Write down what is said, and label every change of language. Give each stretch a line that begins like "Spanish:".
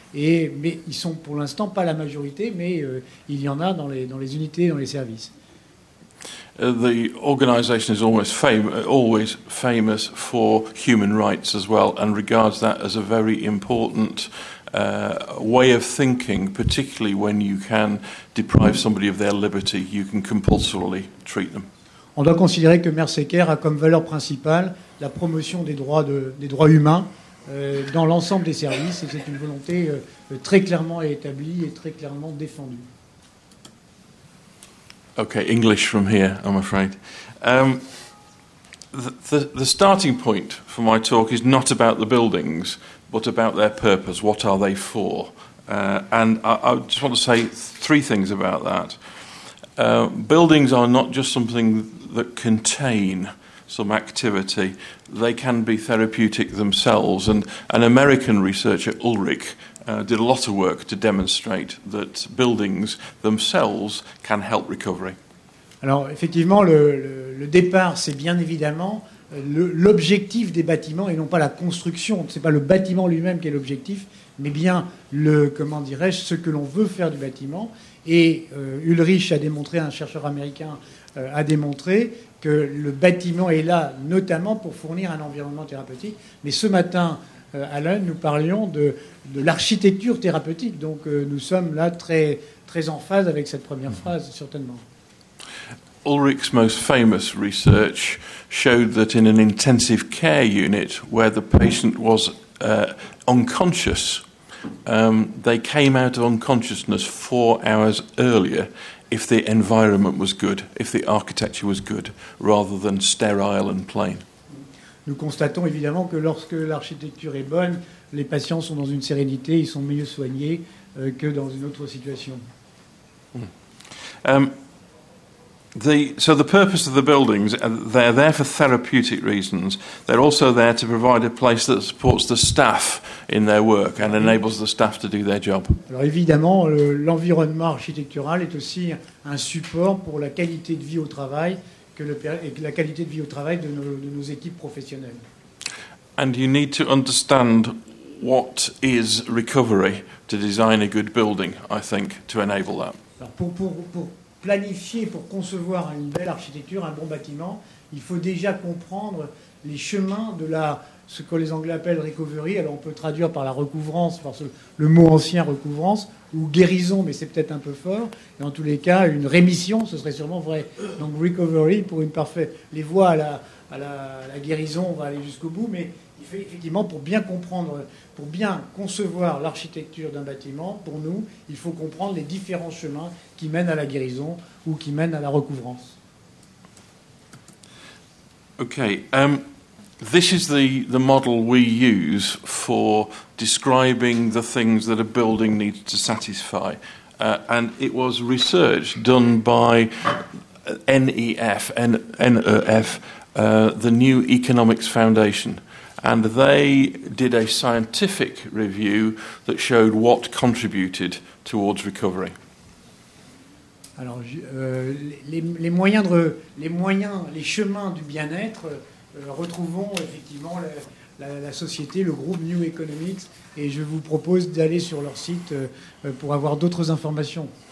French: Mais ils sont pour l'instant pas la majorité, mais il y en a dans les unités, dans les services.
English: The organization is always famous for human rights as well, and regards that as a very important way of thinking, particularly when you can deprive somebody of their liberty, you can compulsorily treat them.
French: On doit considérer que Mercy Care a comme valeur principale la promotion des droits humains dans l'ensemble des services, et c'est une volonté très clairement établie et très clairement défendue.
English: Okay, English from here, I'm afraid. The starting point for my talk is not about the buildings, but about their purpose. What are they for? And I just want to say three things about that. Buildings are not just something that contain some activity. They can be therapeutic themselves. And an American researcher, Ulrich, did a lot of work to demonstrate that buildings themselves can help recovery.
French: Alors, effectivement, le départ, c'est bien évidemment l'objectif des bâtiments et non pas la construction. Ce n'est pas le bâtiment lui-même qui est l'objectif, mais bien comment dirais-je, ce que l'on veut faire du bâtiment. Et Ulrich a démontré, un chercheur américain a démontré, que le bâtiment est là notamment pour fournir un environnement thérapeutique. Mais ce matin, Alain, nous parlions de l'architecture thérapeutique. Donc, nous sommes là très, très en phase avec cette première phrase, certainement.
English: Ulrich's most famous research showed that in an intensive care unit where the patient was unconscious, they came out of unconsciousness 4 hours earlier if the environment was good, if the architecture was good, rather than sterile and plain.
French: Nous constatons évidemment que lorsque l'architecture est bonne, les patients sont dans une sérénité, ils sont mieux soignés que dans une autre situation.
English: So the purpose of the buildings, they're there for therapeutic reasons. They're also there to provide a place that supports the staff in their work and enables the staff to do their job.
French: Alors évidemment, l'environnement architectural est aussi un support pour la qualité de vie au travail et la qualité de vie au travail de nos équipes professionnelles.
English: And you need to understand what is recovery to design a good building, I think, to enable that.
French: Alors pour planifier, pour concevoir une belle architecture, un bon bâtiment, il faut déjà comprendre les chemins de ce que les Anglais appellent recovery. Alors on peut traduire par la recouvrance, par le mot ancien recouvrance, ou guérison, mais c'est peut-être un peu fort. Et en tous les cas, une rémission, ce serait sûrement vrai. Donc recovery, pour une parfaite, les voies à la guérison, on va aller jusqu'au bout, mais effectivement, pour bien comprendre, pour bien concevoir l'architecture d'un bâtiment, pour nous, il faut comprendre les différents chemins qui mènent à la guérison ou qui mènent à la recouvrance.
English: Okay, this is the model we use for describing the things that a building needs to satisfy, and it was research done by NEF, the New Economics Foundation. And they did a scientific review that showed what contributed towards recovery.
French: Alors, les chemins du bien-être, retrouvons effectivement la société, le groupe New Economics, et je vous propose d'aller sur leur site pour avoir d'autres informations.